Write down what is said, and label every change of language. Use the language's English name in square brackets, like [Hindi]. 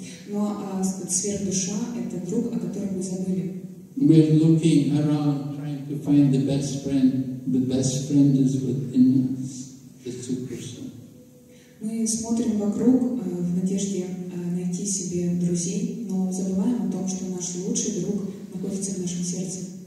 [Russian] Но сверхдуша — это друг, о котором мы забыли. [English] We're looking around, trying to find the best friend. The best friend is within us, the super soul. [Russian] Мы смотрим вокруг в надежде найти себе друзей, но забываем о том, что наш лучший друг находится в нашем сердце.